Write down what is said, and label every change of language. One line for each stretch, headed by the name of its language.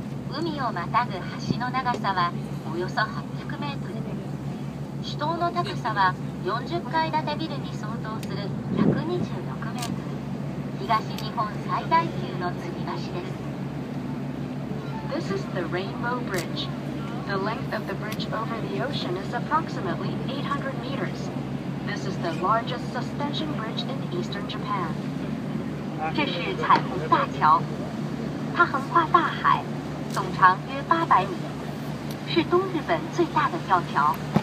Japanese: 海をまたぐ橋の長さはおよそ800メートル。主塔の高さは40階建てビルに相当する126メートル。東日本最大級の吊り橋です。
English: This is the Rainbow Bridge. The length of the bridge over the ocean is approximately 800 meters. This is the largest suspension bridge in eastern Japan.
Chinese: 这是彩虹大桥，它横跨大海，总长约800米，是东日本最大的吊桥。